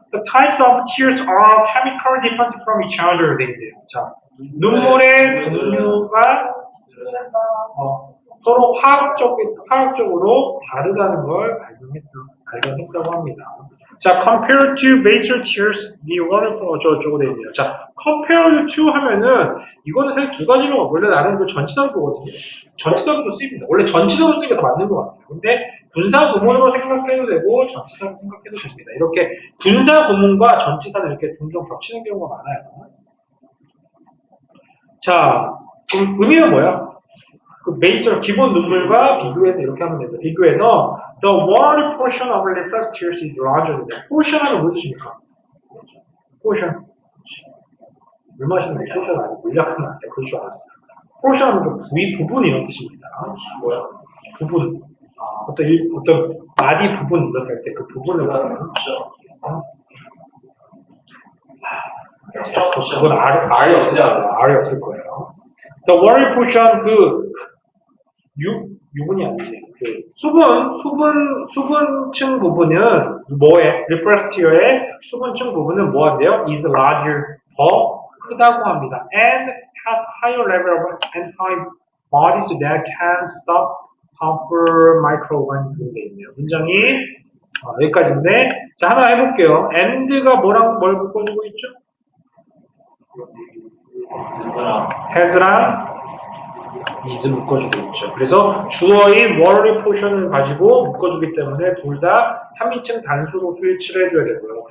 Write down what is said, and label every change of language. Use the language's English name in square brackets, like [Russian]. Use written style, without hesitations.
[English] The types of tears are chemically different from each other. [Korean] 되겠네요. 자, 눈물의 종류가 서로 화학적으로 다르다는 걸 발견했다고 합니다. [English] 자, compared to basal tears, the waterfall, [Korean] 저쪽으로 되어있네요. 자, [English] compared to [Korean] 하면은, 이거는 사실 두 가지로, 원래 나는 그 전치사구거든요. 전치사구도 쓰입니다. 원래 전치사구 쓰는 게 더 맞는 것 같아요. 근데, 분사구문으로 생각해도 되고, 전치사구 생각해도 됩니다. 이렇게, 분사구문과 전치사는 이렇게 종종 겹치는 경우가 많아요. 자, 그럼 의미는 뭐야? 그 베이스 기본 눈물과 비교해서 이렇게 하면 됩니다. 비교해서 [English] the water portion of leftover tears is larger. [Korean] portion 하면 무슨 뜻입니까? portion 물 마시는 게 portion 아니고 물약하면 안 돼. 그럴 줄 알았어요. portion 하면 부위 부분 이런 뜻입니다. 뭐야? 부분 어떤 일, 어떤 body 부분 이렇게 할 때 그 부분을 말하는 거죠. 그건 R이 없을 거예요. R이 없을 거예요. [English] The water portion [Korean] 그 유분이 아니지. 그 수분층 부분은 뭐에 [English] refresh tear [Korean] 의 수분층 부분은 뭐한데요? [English] is larger [Korean] 더 크다고 합니다. [English] and has higher level of antibodies that can stop harmful microorganisms. [Korean] 문장이 여기까지인데 자 하나 해볼게요. and가 뭐랑 뭘 묶어주고 있죠? has랑 is 묶어주고 있죠. 그래서 주어인 worry portion을 가지고 묶어주기 때문에 둘 다 3인칭 단수로 스위치를 해줘야 되고요.